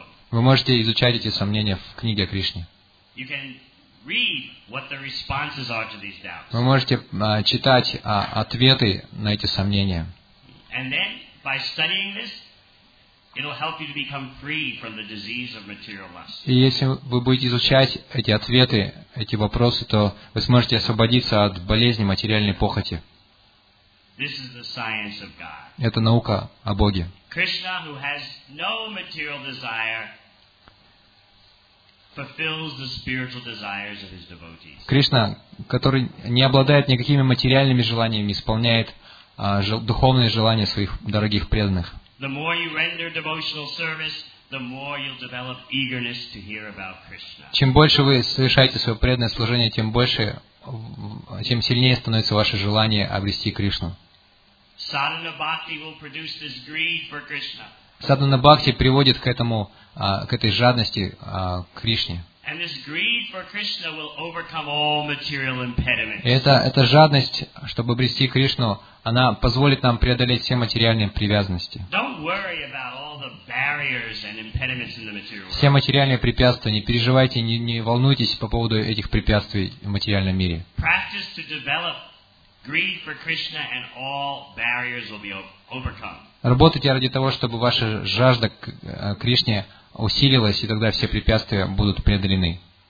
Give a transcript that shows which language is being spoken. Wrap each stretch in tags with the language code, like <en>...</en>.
<ru>Вы можете изучать эти сомнения в книге о Кришне. Вы можете читать ответы на эти сомнения.</ru> <en>And then, by studying this, it'll help you to become free from the disease of material lust.</en> <ru>И если вы будете изучать эти ответы, эти вопросы, то вы сможете освободиться от болезни материальной похоти.</ru> <en>This is the science of God.</en> <ru>Это наука о Боге.</ru> <en>Krishna, who has no material desire, fulfills the spiritual desires of his devotees.</en> <ru>Кришна, который не обладает никакими материальными желаниями, исполняет духовные желания своих дорогих преданных.</ru> <en>The more you render devotional service, the more you'll develop eagerness to hear about Krishna.</en> <ru>Чем больше вы совершаете свое преданное служение, тем больше, тем сильнее становится ваше желание обрести Кришну.</ru> <en>Sadhana bhakti will produce this greed for Krishna.</en> <ru>Садхана бхакти приводит к этому, к этой жадности к Кришне.</ru> <en>And this greed for Krishna will overcome all material impediments.</en> <ru>Эта жадность, чтобы обрести Кришну, она позволит нам преодолеть все материальные привязанности.</ru> <en>Don't worry about all the barriers and impediments in the material world.</en> <ru>Все материальные препятствия, не переживайте, не волнуйтесь по поводу этих препятствий в материальном мире.</ru> <en>Practice to develop greed for Krishna and all barriers will be overcome.</en> <ru>Работайте ради того, чтобы ваша жажда к Кришне усилилась, и тогда все препятствия будут преодолены.</ru>